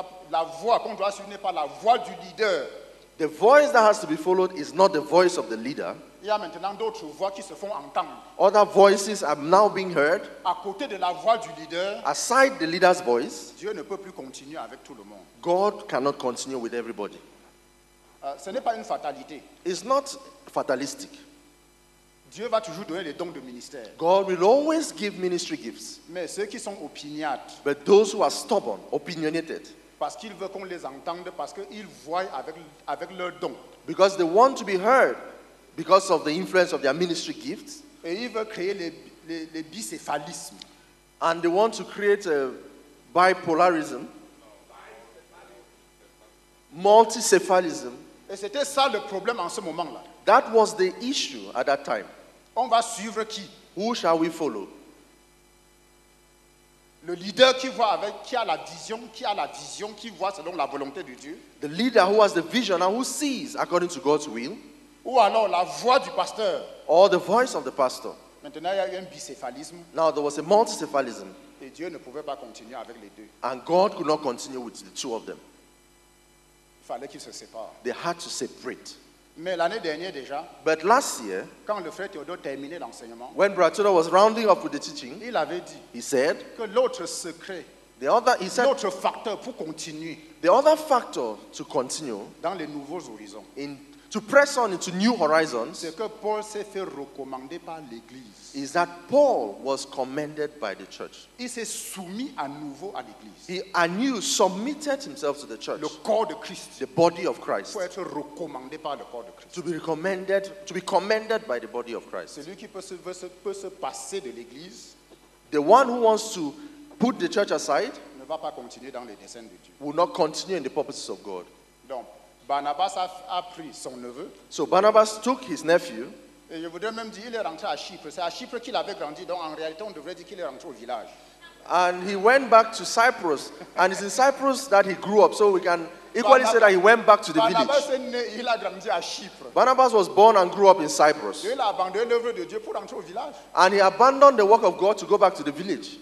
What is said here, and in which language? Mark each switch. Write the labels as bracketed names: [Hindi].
[French] la voix qu'on doit suivre n'est pas la voix du leader. [English] The voice that has to be followed is not the voice of the leader. [French] Il y a maintenant d'autres voix qui se font entendre. [English] Other voices are now being heard. [French] À côté de la voix du leader, [English] aside the leader's voice, [French] Dieu ne peut plus continuer avec tout le monde. [English] God cannot continue with everybody. [French] Ce n'est pas une fatalité. [English] It's not fatalistic. [French] Dieu va toujours donner les dons de ministère. [English] God will always give ministry gifts. [French] Mais ceux qui sont opiniâtres. [English] But those who are stubborn, opinionated. [French] Parce qu'ils veulent qu'on les entende, parce qu'ils voient avec leurs dons. [English] Because they want to be heard because of the influence of their ministry gifts. [French] Et ils veulent créer les bicéphalismes. [English] And they want to create a bipolarism. [French] multicéphalism. Et c'était ça le problème en ce moment-là. [English] That was the issue at that time. [French] On va suivre qui? [English] Who shall we follow? [French] Le leader qui voit avec, qui a la vision, qui voit selon la volonté de Dieu. [English] The leader who has the vision and who sees according to God's will. [French] Ou alors la voix du pasteur. [English] Or the voice of the pastor. [French] Maintenant, il y a eu un bicéphalisme. [English] Now there was a multicéphalism. [French] Et Dieu ne pouvait pas continuer avec les deux. [English] And God could not continue with the two of them. [French] Il fallait qu'ils se séparent. [English] They had to separate. [French] Mais l'année dernière déjà, [English] but last year, [French] quand le frère Théodore terminait l'enseignement, [English] when Brother Théodore was rounding up with the teaching, [French] il avait dit, [English] he said, [French] que l'autre secret, [English] the other, he said, [French] l'autre facteur pour continuer, [English] the other factor to continue, [French] dans les nouveaux horizons, [English] in to press on into new horizons, [French] c'est que Paul s'est fait recommander par l'église, [English] is that Paul was commended by the church. [French] Il s'est soumis à nouveau à l'église. [English] He anew submitted himself to the church. [French] Le corps de Christ. [English] The body of Christ. [French] Pour être recommandé par le corps de Christ. [English] To be commended by the body of Christ. [French] Celui qui peut se passer de l'église, [English] the one who wants to put the church aside, [French] ne va pas continuer dans les desseins de Dieu. [English] Will not continue in the purposes of God. [French] Donc, Barnabas a pris son neveu. [English] So Barnabas took his nephew. [French] Et je voudrais même dire, il est rentré à Chypre. C'est à Chypre qu'il avait grandi. Donc en réalité, on devrait dire qu'il est rentré au village. [English] And he went back to Cyprus. And it's in Cyprus that he grew up. So we can equally say that he went back to the village. [French] Barnabas est né, il a grandi à Chypre. [English] Barnabas was born and grew up in Cyprus. [French] Et il a abandonné l'œuvre de Dieu pour rentrer au village. [English] And he abandoned the work of God to go back to the village.